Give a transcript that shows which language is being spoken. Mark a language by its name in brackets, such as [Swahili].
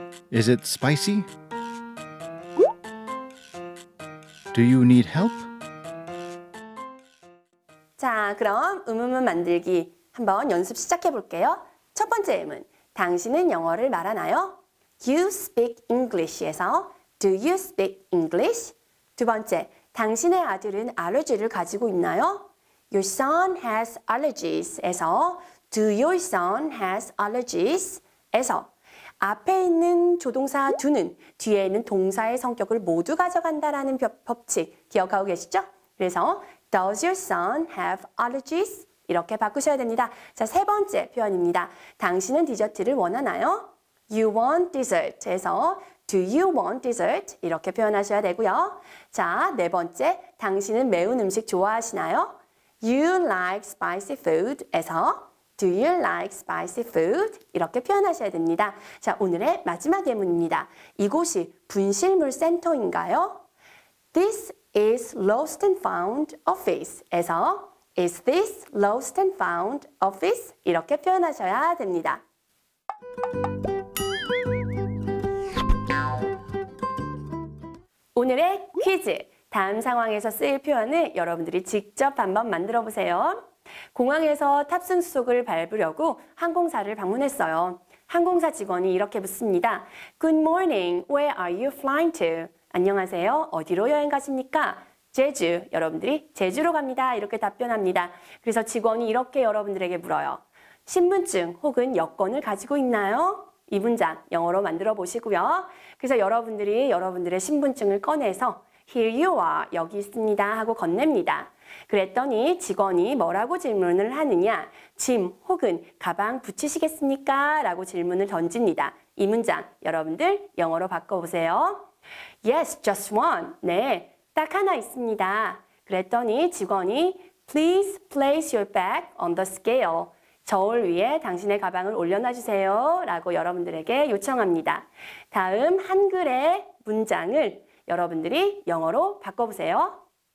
[English] Is it spicy? Do you need help? [Korean] 자, 그럼 의문문 만들기 한번 연습 시작해 볼게요. 첫 번째 의문, 당신은 영어를 말하나요? [English] You speak English [Korean] 에서 [English] Do you speak English? [Korean] 두 번째, 당신의 아들은 알러지를 가지고 있나요? [English] Your son has allergies [Korean] 에서 [English] Do your son has allergies? [Korean] 에서 앞에 있는 조동사 do는 뒤에 있는 동사의 성격을 모두 가져간다라는 법칙 기억하고 계시죠? 그래서 [English] Does your son have allergies? [Korean] 이렇게 바꾸셔야 됩니다. 자, 세 번째 표현입니다. 당신은 디저트를 원하나요? [English] You want dessert? [Korean] 해서 [English] Do you want dessert? [Korean] 이렇게 표현하셔야 되고요. 자, 네 번째, 당신은 매운 음식 좋아하시나요? [English] You like spicy food? [Korean] 에서 [English] Do you like spicy food? [Korean] 이렇게 표현하셔야 됩니다. 자, 오늘의 마지막 예문입니다. 이곳이 분실물 센터인가요? [English] This is lost and found office? [Korean] 에서 [English] Is this lost and found office? [Korean] 이렇게 표현하셔야 됩니다. 오늘의 퀴즈, 다음 상황에서 쓰일 표현을 여러분들이 직접 한번 만들어 보세요. 공항에서 탑승수속을 밟으려고 항공사를 방문했어요. 항공사 직원이 이렇게 묻습니다. [English] Good morning, where are you flying to? [Korean] 안녕하세요, 어디로 여행 가십니까? 제주, 여러분들이 제주로 갑니다. 이렇게 답변합니다. 그래서 직원이 이렇게 여러분들에게 물어요. 신분증 혹은 여권을 가지고 있나요? 이 문장 영어로 만들어 보시고요. 그래서 여러분들이 여러분들의 신분증을 꺼내서 [English] Here you are, [Korean] 여기 있습니다 하고 건넵니다. 그랬더니 직원이 뭐라고 질문을 하느냐? 짐 혹은 가방 붙이시겠습니까? 라고 질문을 던집니다. 이 문장 여러분들 영어로 바꿔보세요. [English] Yes, just one. [Korean] 네, 딱 하나 있습니다. 그랬더니 직원이 [English] Please place your bag on the scale. [Korean] 저울 위에 당신의 가방을 올려놔 주세요 라고 여러분들에게 요청합니다. 다음 한글의 문장을 여러분들이 영어로 바꿔보세요.